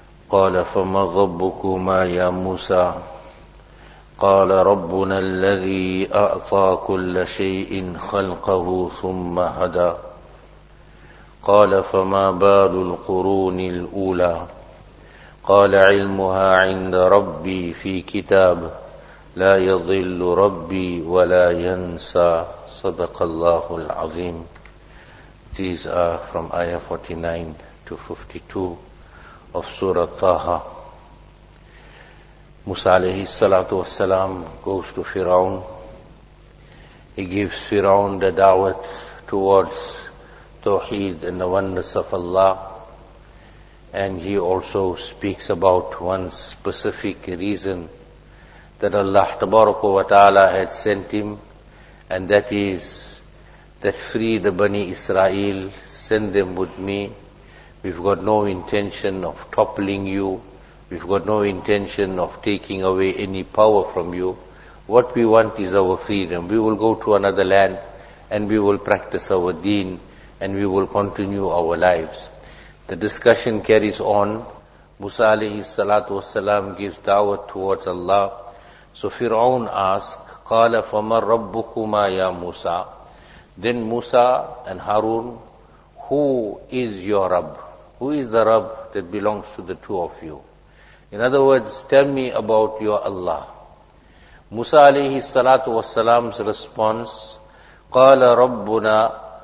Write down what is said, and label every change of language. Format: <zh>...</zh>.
<ar>قال فما ربكما يا موسى؟ قال ربنا الذي أعطى كل شيء خلقه ثم هدى. قال فما بال القرون الأولى؟ قال علمها عند ربي في كتاب لا يضل ربي ولا ينسى. صدق الله العظيم.</ar> <en>These are from ayah 49 to 52 of Surah Taha. Musa alayhi salatu wassalam goes to Fir'aun. He gives Fir'aun the da'wat towards Tawheed and the oneness of Allah. And he also speaks about one specific reason that Allah tabaraka wa ta'ala had sent him, and that is that free the Bani Israel, send them with me. We've got no intention of toppling you. We've got no intention of taking away any power from you. What we want is our freedom. We will go to another land and we will practice our deen and we will continue our lives. The discussion carries on. Musa alayhi salatu wassalam gives da'wah towards Allah. So Fir'aun asks,</en> <ar>قَالَ فَمَا رَبُّكُمَا يَا مُوسَى.</ar> <en>Then Musa and Harun, who is your Rabb? Who is the Rabb that belongs to the two of you? In other words, tell me about your Allah. Musa alayhi salatu wassalam's response,</en> <ar>قَالَ رَبُّنَا.</ar>